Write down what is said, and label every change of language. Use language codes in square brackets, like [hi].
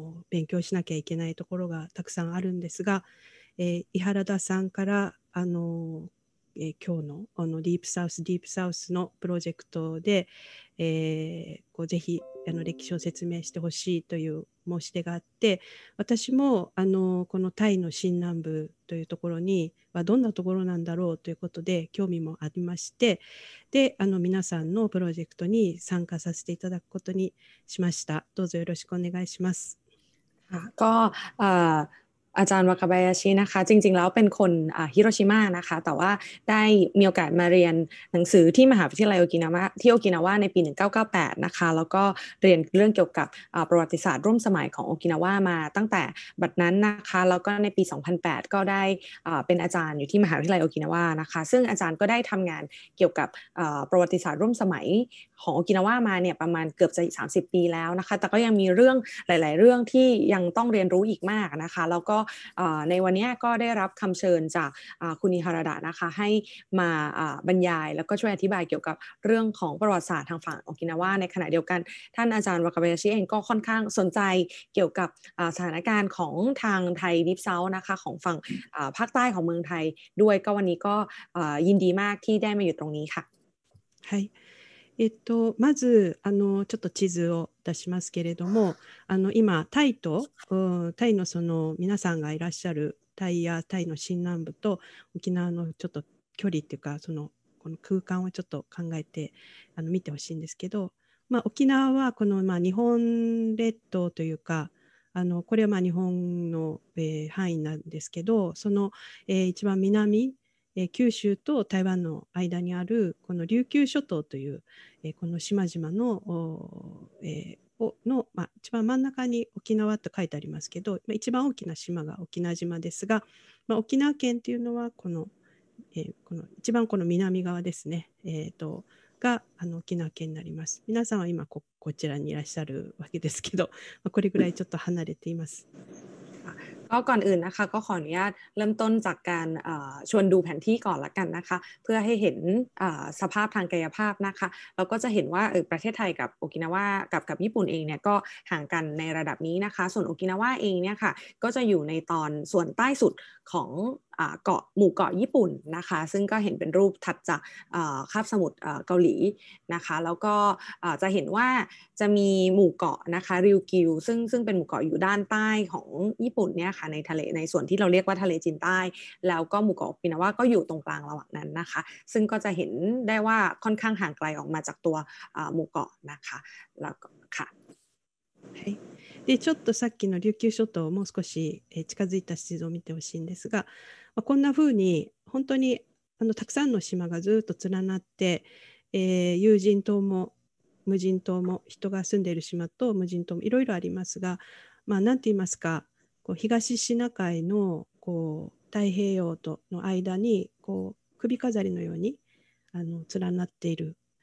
[ja] 勉強しなきゃいけないところがたくさんあるんですが、伊原田さんから今日の、ディープサウスディープサウスのプロジェクトで、ぜひ歴史を説明してほしいという申し出があって、私もこのタイの新南部というところにはどんなところなんだろうということで興味もありまして、で皆さんのプロジェクトに参加させていただくことにしました。どうぞよろしくお願いします。 [th] ก็อาจารย์วากาบายาชินะคะจริงๆแล้วเป็นคนฮิโรชิมานะคะแต่ว่าได้มีโอกาสมาเรียนหนังสือที่มหาวิทยาลัยโอกินาวะที่โอกินาวะในปี1998นะคะแล้วก็เรียนเรื่องเกี่ยวกับประวัติศาสตร์ร่วมสมัยของโอกินาวะมาตั้งแต่บัดนั้นนะคะแล้วก็ในปี2008ก็ได้ เป็นอาจารย์อยู่ที่มหาวิทยาลัยโอกินาวะนะคะซึ่งอาจารย์ก็ได้ทำงานเกี่ยวกับประวัติศาสตร์ร่วมสมัยของโอกินาวะมาเนี่ยประมาณเกือบจะ30ปีแล้วนะคะแต่ก็ยังมีเรื่องหลายๆเรื่องที่ยังต้องเรียนรู้อีกมากนะคะแล้วก็ ในวันนี้ก็ได้รับคำเชิญจากคุณอิฮารดานะคะให้มาบรรยายแล้วก็ช่วยอธิบายเกี่ยวกับเรื่องของประวัติศาสตร์ทางฝั่งโอกินาวะในขณะเดียวกันท่านอาจารย์วากาบายาชิเองก็ค่อนข้างสนใจเกี่ยวกับสถานการณ์ของทางไทยดิฟเซานะคะของฝั่งภาคใต้ของเมืองไทยด้วยก็วันนี้ก็ยินดีมากที่ได้มาอยู่ตรงนี้ค่ะ [ja] はいまずちょっと地図を出しますけれども、今タイとタイのその皆さんがいらっしゃるタイやタイの新南部と沖縄のちょっと距離っていうかそのこの空間をちょっと考えて見てほしいんですけど、まあ、沖縄はこの、まあ、日本列島というかこれはまあ日本の、範囲なんですけど、その、一番南九州と台湾の間にあるこの琉球諸島というこの島々 の、まあ、一番真ん中に沖縄と書いてありますけど、一番大きな島が沖縄島ですが、まあ、沖縄県というのはこ の、この一番この南側ですね、が沖縄県になります。皆さんは今 こちらにいらっしゃるわけですけど、これぐらいちょっと離れています [th] ก็ก่อนอื่นนะคะก็ขออนุญาตเริ่มต้นจากการชวนดูแผนที่ก่อนละกันนะคะเพื่อให้เห็นสภาพทางกายภาพนะคะเราก็จะเห็นว่าประเทศไทยกับโอกินาวะกับญี่ปุ่นเองเนี่ยก็ห่างกันในระดับนี้นะคะส่วนโอกินาวะเองเนี่ยค่ะก็จะอยู่ในตอนส่วนใต้สุดของ เกาะหมู่เกาะญี่ปุ่นนะคะซึ่งก็เห็นเป็นรูปถัดจากคาบสมุทรเกาหลีนะคะแล้วก็จะเห็นว่าจะมีหมู่เกาะนะคะริวกิวซึ่งเป็นหมู่เกาะอยู่ด้านใต้ของญี่ปุ่นเนี่ยค่ะในทะเลในส่วนที่เราเรียกว่าทะเลจีนใต้แล้วก็หมู่เกาะโอกินาวะก็อยู่ตรงกลางระหว่างนั้นนะคะซึ่งก็จะเห็นได้ว่าค่อนข้างห่างไกลออกมาจากตัวหมู่เกาะนะคะแล้วค่ะ [ja] でちょっとさっきの琉球諸島をもう少し近づいた地図を見てほしいんですが、こんな風に本当にたくさんの島がずっと連なって、有人島も無人島も人が住んでいる島と無人島もいろいろありますが、まあ、なんて言いますか、こう東シナ海のこう太平洋との間にこう首飾りのように連なっている、